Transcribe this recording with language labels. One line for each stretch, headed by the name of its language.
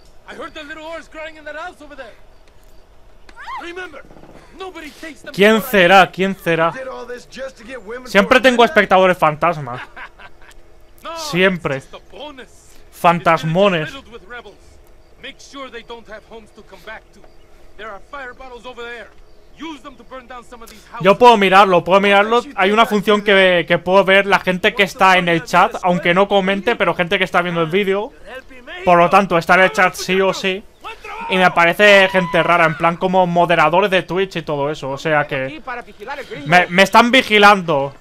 English: I heard the little horse crying in that house over there. Remember, nobody takes them.
Spanish: ¿Quién será? ¿Quién será? Siempre tengo espectadores fantasma. Siempre. Fantasmones.
English: Make sure they don't have homes to come back to. There are fire bottles over there. Use them to burn down some of these houses.
Spanish: Yo puedo mirarlo, puedo mirarlo. Hay una función que puedo ver la gente que está en el chat, aunque no comente, pero gente que está viendo el vídeo. Por lo tanto, está en el chat sí o sí. Y me aparece gente rara, en plan como moderadores de Twitch y todo eso. O sea que me están vigilando.